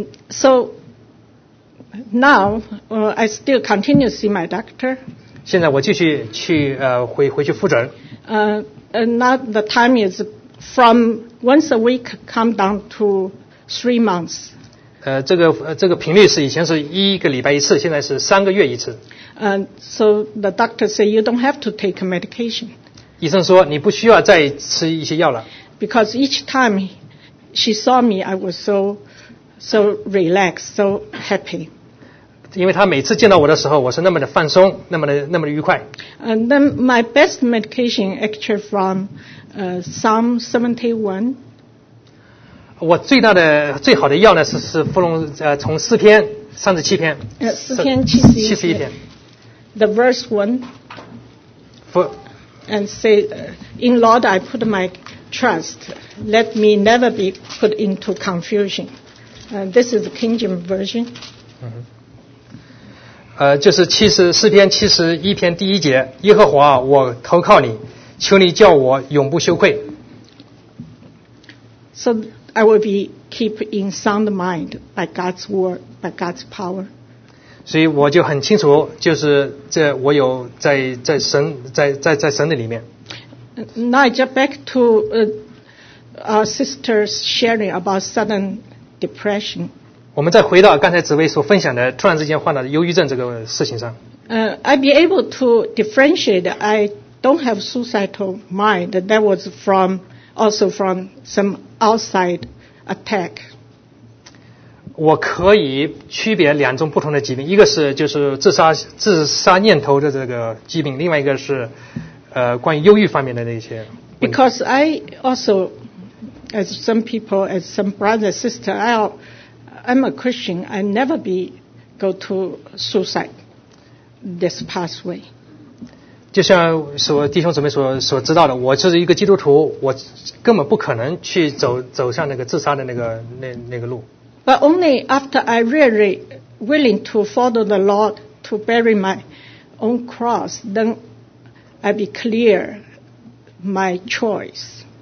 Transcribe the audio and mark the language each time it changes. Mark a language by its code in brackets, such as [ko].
[en] So now, I still continue to see my doctor. [zh] 现在我继续去回去复诊。 [en] Now the time is from once a week come down to 3 months. [zh] 这个频率是以前是一个礼拜一次，现在是三个月一次。 [en] So the doctor said you don't have to take medication. [zh] 医生说你不需要再吃一些药了。 [en] Because each time she saw me, I was so relaxed, so happy. [zh] 因为她每次见到我的时候，我是那么的放松，那么的愉快。 [en] Then my best medication actually from Psalm 71. [zh] 我最大的最好的药呢是芙蓉从诗篇三十七篇。诗篇七十一篇。 The verse 1. [en] And say, In Lord I put my trust. Let me never be put into confusion. This is the King James Version. [zh] 就是诗篇七十一篇第一节，耶和华，我投靠你，求你叫我永不羞愧。 [en] So I will be keep in sound mind by God's word, by God's power. [zh] 所以我就很清楚，就是这我有在神在神的里面。 [en] Now I jump back to our sister's sharing about sudden depression. [zh] 我们再回到刚才紫薇所分享的突然之间患了忧郁症这个事情上。 [en] I be able to differentiate. I don't have suicidal mind. That was also from some outside attack. [zh] 我可以区别两种不同的疾病，一个是就是自杀念头的这个疾病，另外一个是关于忧郁方面的那些。 [en] Because I also, as some people, as some brother, sister, I'm a Christian. I never be go to suicide this pathway. [zh] 就像所弟兄姊妹所知道的，我就是一个基督徒，我根本不可能去走上那个自杀的那个路。 [en] But only after I really willing to follow the Lord to bury my own cross, then I be clear my choice.